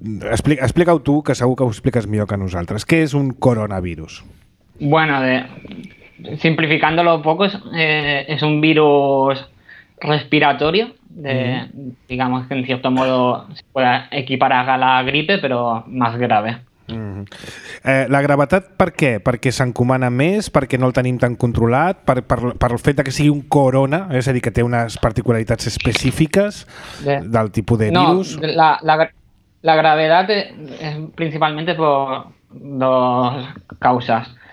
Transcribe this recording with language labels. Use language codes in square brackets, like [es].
[ca] Explica-ho tu, que segur que ho expliques millor que nosaltres. Què és un coronavirus? [es] Bueno, simplificándolo un poco, es un virus respiratorio, digamos que en cierto modo se puede equiparar a la gripe, pero más grave. [ca] La gravetat per què? Perquè s'encomana més, perquè no el tenim tan controlat, per el fet que sigui un corona, és a dir, que té unes particularitats específiques del tipus de virus? No, la gravetat és principalment per dues causes.